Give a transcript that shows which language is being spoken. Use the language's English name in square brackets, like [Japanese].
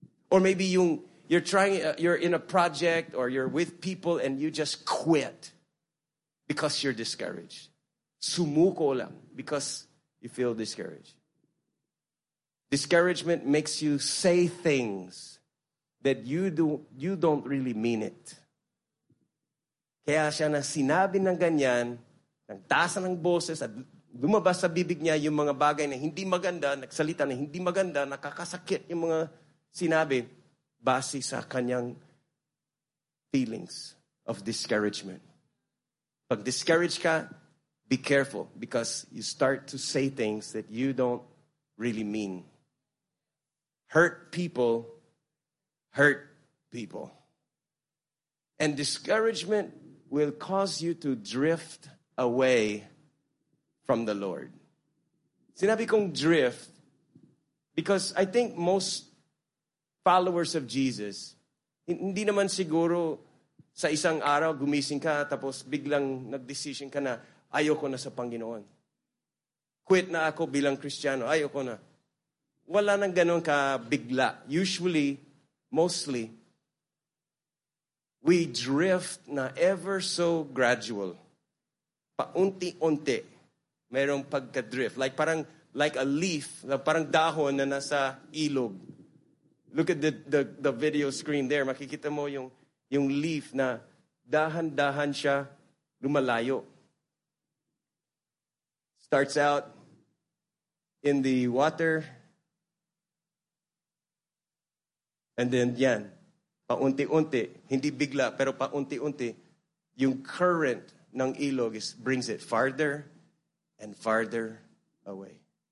[English] Or maybe you're in a project or you're with people and you just quit because you're discouraged. [Filipino] Sumuko lang [English] because you feel discouraged. Discouragement makes you say things that you don't really mean it. [Filipino] Kaya siya na sinabi ng ganyan, ng tasa ng boses at lumabas sa bibig niya yung mga bagay na hindi maganda, nagsalita na hindi maganda, nakakasakit yung mga sinabi base sa kanyang feelings of discouragement. Pag discouraged ka, [English] be careful because you start to say things that you don't really mean. Hurt people, hurt people. And discouragement will cause you to drift away from the Lord. [Filipino] Sinabi kong drift [English] because I think most followers of Jesus, [Filipino] hindi naman siguro sa isang araw gumising ka tapos biglang nag-decision ka na ayoko na sa Panginoon. Quit na ako bilang Kristiyano, ayoko na. Wala nang ganun ka bigla. [English] Usually, mostly, we drift na ever so gradual. [Filipino] Paunti-unti. Mayroong pagka-drift. [English] Like parang like a leaf, [Filipino] na parang dahon na nasa ilog. [English] Look at the video screen there. [Filipino] Makikita mo yung leaf na dahan-dahan siya lumalayo. [English] Starts out in the water. [Filipino] And then yan, paunti-unti, hindi bigla, pero paunti-unti, yung current ng ilog [English] brings it farther and farther away.